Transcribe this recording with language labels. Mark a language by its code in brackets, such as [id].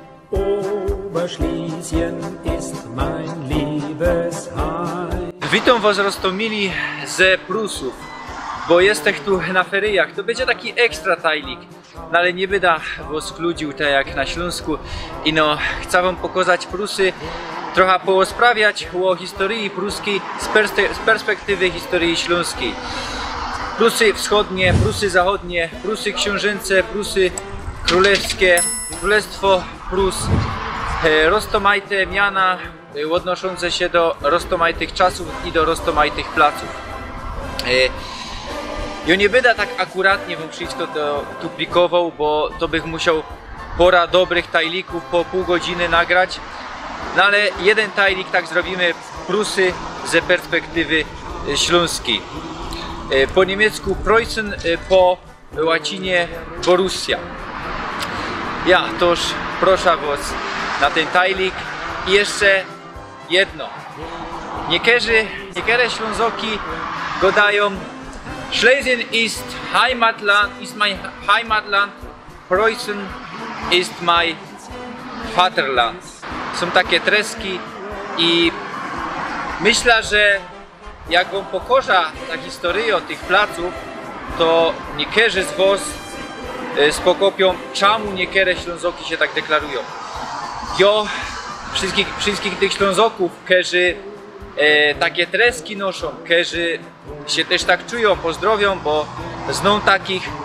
[de] Oberschlesien ist mein liebes Heim. [szl] Witam was Rostomili ze Prusów. Bo jesteś tu na feryjach, to będzie taki ekstra tajlik, no ale nie byda was kludził tak jak na Śląsku. I no, chcę wam pokazać Prusy, trochę poosprawiać o historii pruskiej z perspektywy historii śląskiej. Prusy wschodnie, Prusy zachodnie, Prusy książęce, Prusy królewskie, Królestwo Prus, roztomajte miana odnoszące się do roztomajtych czasów i do roztomajtych placów. Ja nie będę tak akuratnie wam przyjść to duplikował, bo to bych musiał pora dobrych tajlików po pół godziny nagrać. No ale jeden tajlik tak zrobimy, Prusy ze perspektywy śląskiej. Po niemiecku Preußen, po łacinie Borussia. Ja toż proszę was na ten tajlik. I jeszcze jedno. Niektóre Ślązoki godają [de] Schlesien ist Heimatland, ist mein Heimatland, Preußen ist mein Vaterland. [szl] Są takie treski i myślę, że jak wam pokorza ta historia tych placów, to niektórzy z was spokopią, czemu niektóre Ślązoki się tak deklarują. Jo, wszystkich tych Ślązoków, którzy takie treski noszą, którzy się też tak czują, pozdrowią, bo zną takich.